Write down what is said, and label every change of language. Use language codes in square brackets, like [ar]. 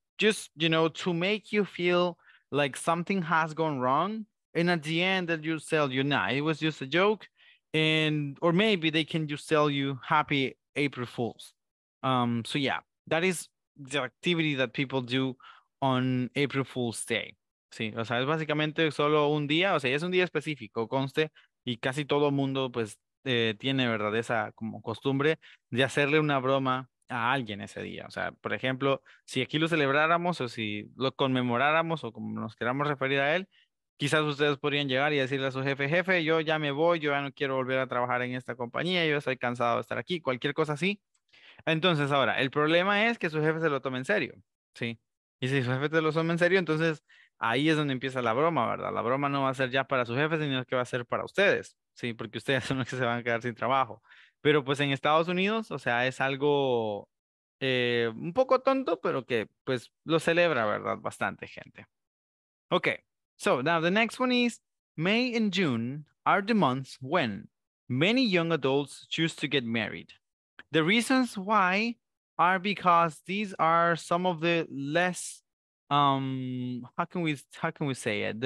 [en] just, you know, to make you feel like something has gone wrong. And at the end that you tell you, nah, it was just a joke. And, or maybe they can just tell you happy April Fools. So yeah, that is the activity that people do on April Fool's Day. [es] Sí, o sea, es básicamente solo un día, o sea, es un día específico, conste, y casi todo mundo, pues, tiene, ¿verdad?, esa como costumbre de hacerle una broma a alguien ese día. O sea, por ejemplo, si aquí lo celebráramos o si lo conmemoráramos o como nos queramos referir a él, quizás ustedes podrían llegar y decirle a su jefe, jefe, yo ya me voy, yo ya no quiero volver a trabajar en esta compañía, yo estoy cansado de estar aquí, cualquier cosa así. Entonces, ahora, el problema es que su jefe se lo tome en serio, ¿sí? Y si su jefe se lo toma en serio, entonces ahí es donde empieza la broma, ¿verdad? La broma no va a ser ya para su jefe, sino que va a ser para ustedes, ¿sí? Porque ustedes son los que se van a quedar sin trabajo. Pero pues en Estados Unidos, o sea, es algo un poco tonto, pero que pues lo celebra, ¿verdad? Bastante gente. [en] Ok, so now the next one is May and June are the months when many young adults choose to get married. The reasons why are because these are some of the less, how can we say it?